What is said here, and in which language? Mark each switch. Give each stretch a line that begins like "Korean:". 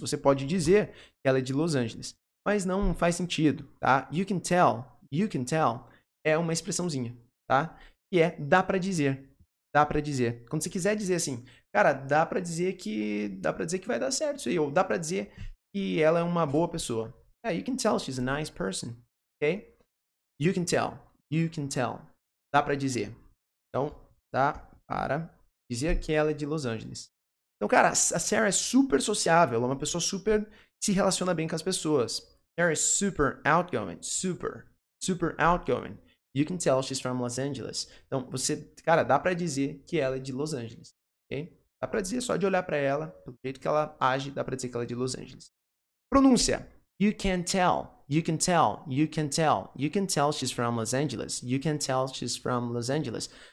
Portuguese: Você pode dizer que ela é de Los Angeles. Mas não faz sentido, tá?
English: You can tell
Portuguese: é uma expressãozinha, tá? Que é dá pra dizer. dá para dizer. Quando você quiser dizer assim, cara, dá para dizer que vai dar certo isso aí, ou dá para dizer que ela é uma boa pessoa.
English: Yeah, you can tell she's a nice person, okay? You can tell.
Portuguese: Dá para dizer. Então, dá para dizer que ela é de Los Angeles. Então, cara, a Sarah é super sociável, é uma pessoa super se relaciona bem com as pessoas.
English: Sarah is super outgoing, super, super outgoing. You can tell she's from Los Angeles.
Portuguese: Então, você, cara, dá para dizer que ela é de Los Angeles, ok? Dá para dizer só de olhar para ela, pelo jeito que ela age, dá para dizer que ela é de Los Angeles. Pronúncia.
English: You can tell, you can tell, you can tell, you can tell she's from Los Angeles, you can tell she's from Los Angeles.